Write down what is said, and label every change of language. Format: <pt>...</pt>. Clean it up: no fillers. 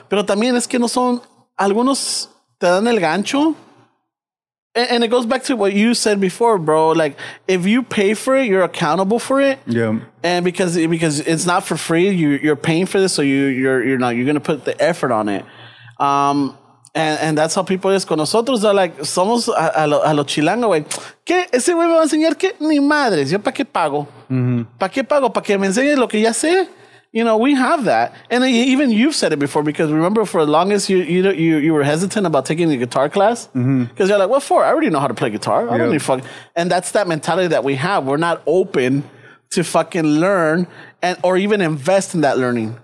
<es>Pero también es que no son, algunos te dan el gancho.</es> <en>And it goes back to what you said before, bro. Like, if you pay for it, you're accountable for it. Yeah. And because it's not for free, you're paying for this, so you're going to put the effort on it. And that's how people is</en> <es>con nosotros.</es> <en>They're like,</en> <es>somos a lo chilango, güey. ¿Qué? Ese güey me va a enseñar que ni madres. ¿Yo para qué pago? Mm-hmm. ¿Para qué pago? ¿Para que me enseñe lo que ya sé?</es> <en>You know, we have that. And even you've said it before, because remember for the longest you were hesitant about taking the guitar class. Because mm-hmm. you're like, what for? I already know how to play guitar. I don't need fuck. And that's that mentality that we have. We're not open to fucking learn or even invest in that learning.</en>